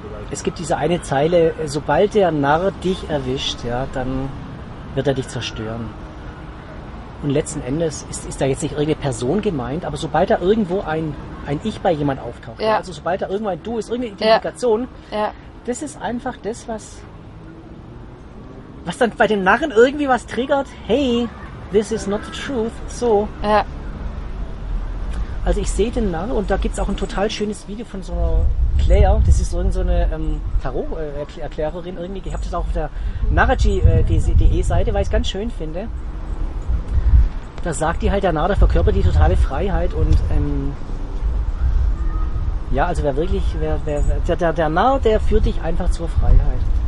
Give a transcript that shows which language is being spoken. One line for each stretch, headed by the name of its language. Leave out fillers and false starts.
German: es gibt diese eine Zeile, sobald der Narr dich erwischt, ja, dann wird er dich zerstören. Und letzten Endes ist da jetzt nicht irgendeine Person gemeint, aber sobald da irgendwo ein Ich bei jemand auftaucht, ja. Also sobald da irgendwo ein Du ist, irgendeine Identifikation, ja. Das ist einfach das, was dann bei dem Narren irgendwie was triggert.
English: Hey, this is not the truth.
German: So. Ja. Also ich sehe den Narren und da gibt es auch ein total schönes Video von so einer Claire. Das ist irgendeine Tarot-Erklärerin irgendwie. Ich habe das auch auf der Naraji.de-Seite, weil ich es ganz schön finde. Da sagt die halt, der Narr, der verkörpert die totale Freiheit und ja, also der Narr, der führt dich einfach zur Freiheit.